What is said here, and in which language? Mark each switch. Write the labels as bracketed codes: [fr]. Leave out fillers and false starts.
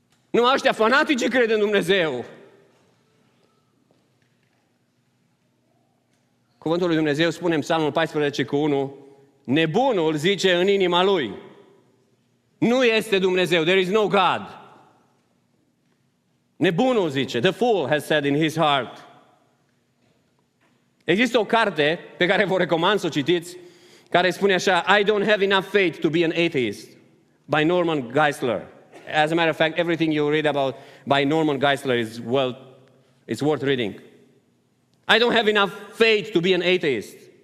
[ro] Nu aștia fanatici cred în Dumnezeu. Cuvântul lui Dumnezeu spune în Psalmul 14:1, nebunul zice în inima lui, nu este Dumnezeu, [en] there is no God. [ro] Nebunul zice, [en] the fool has said in his heart. [ro] Există o carte pe care vă recomand să o citiți, care spune așa, [en] I don't have enough faith to be an atheist, [ro] by Norman Geisler. [en] As a matter of fact, everything you read about by Norman Geisler is well, it's worth reading. I don't have enough faith to be an atheist.